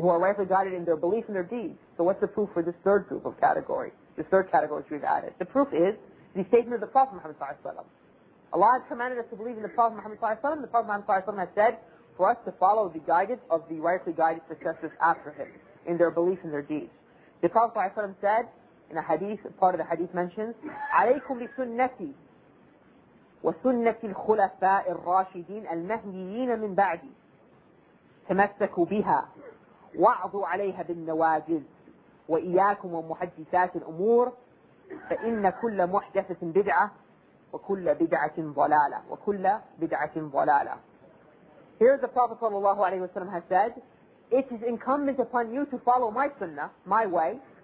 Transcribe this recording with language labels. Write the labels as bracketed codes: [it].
[en] Who are rightly guided in their belief and their deeds. So what's the proof for this third group of category, this third category which we've added? The proof is the statement of the Prophet Muhammad sallallahu alayhi wa sallam. Allah has commanded us to believe in the Prophet Muhammad sallallahu alayhi wa sallam. The Prophet Muhammad sallallahu alayhi wa sallam has said for us to follow the guidance of the rightly guided successors after him in their belief and their deeds. The Prophet sallallahu alayhi wa sallam said in a hadith, part of the hadith mentions, [ar] عَلَيْكُمْ لِسُنَّتِي وَسُنَّتِ الْخُلَفَاءِ الرَّاشِدِينَ الْمَهْدِيِّينَ مِنْ بَعْدِي تَمَسَّكُوا بِهَا وَعْضُوا عَلَيْهَا بِالنَّوَاجِذِ وَإِيَّاكُمْ وَمُحَدِّثَاتِ الْأُمُورِ فَإِنَّ كُلَّ مُحْدَثَةٍ بِدْعَةٍ وَكُلَّ بِدْعَةٍ ضَلَالَةٍ وَكُلَّ بِدْعَةٍ ضَلَالَةٍ. [en] Here the Prophet sallallahu alayhi wa sallam has said, it is incumbent upon you to follow my sunnah, my way.